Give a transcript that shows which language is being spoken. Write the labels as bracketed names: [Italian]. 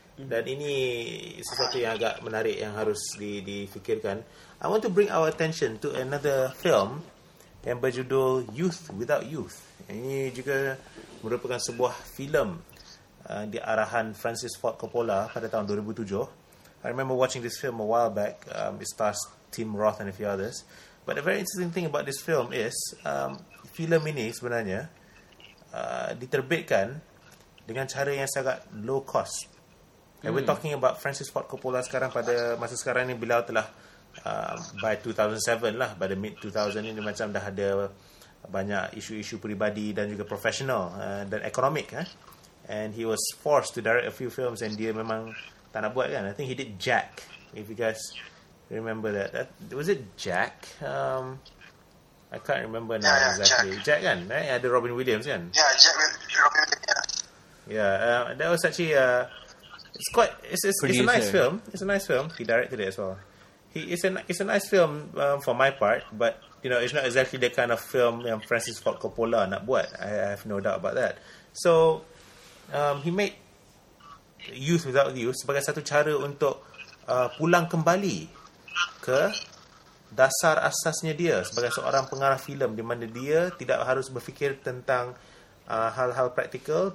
[Malay] Dan ini sesuatu yang agak menarik yang harus difikirkan. [English] I want to bring our attention to another film [Malay] yang berjudul [English] Youth Without Youth. [Malay] Ini juga merupakan sebuah filem di arahan Francis Ford Coppola pada tahun 2007. [English] I remember watching this film a while back. It stars Tim Roth and a few others. But the very interesting thing about this film is [Malay] filem ini sebenarnya diterbitkan dengan cara yang sangat low cost. [English] And we're talking about [Malay] Francis Ford Coppola sekarang pada masa sekarang ini beliau telah by 2007 lah, by the mid 2000 ni dia macam dah ada banyak isu-isu peribadi dan juga professional dan economic [English] and he was forced to direct a few films [Malay] and dia memang tak nak buat kan. [English] I think he did Jack, if you guys remember that. Was it Jack? I can't remember now exactly. Jack kan? Right? [Malay] Ada Robin Williams kan? [English] Yeah, Jack Robin Williams. Yeah, that was actually it's a nice film. It's a nice film. He directed it as well. It's a nice film for my part, but you know, it's not exactly the kind of film [Malay] yang [English] Francis Ford Coppola [Malay] nak buat. [English] I have no doubt about that. So, he made [Malay] Youth Without You sebagai satu cara untuk pulang kembali ke dasar asasnya dia sebagai seorang pengarah filem, di mana dia tidak harus berfikir tentang hal-hal praktikal.